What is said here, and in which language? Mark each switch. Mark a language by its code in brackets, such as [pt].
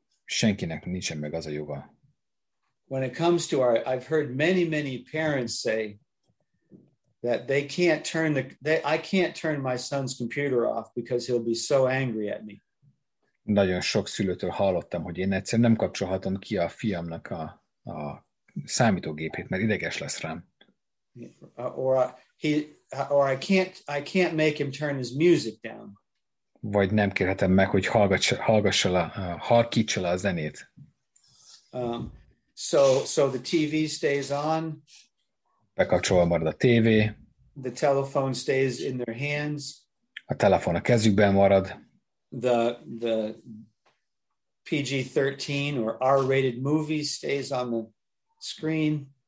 [hu] Senkinek nincsen meg az a joga. [en] When it comes to our, I've heard many, many parents say that they can't turn I can't turn my son's computer off because he'll be so angry at me. [hu] Nagyon sok szülőtől hallottam, hogy én egyszer nem kapcsolhatom ki a fiamnak a számítógépét, mert ideges lesz rám. [en] Or I can't make him turn his music down. [hu] Vagy nem kérhetem meg, hogy halkítsa le a zenét. [en] So the TV stays on. [hu] Bekapcsolva marad a tévé. [en] The telephone stays in their hands. [hu] A telefon a kezükben marad. [en] The PG-13 or R-rated movie stays on the screen.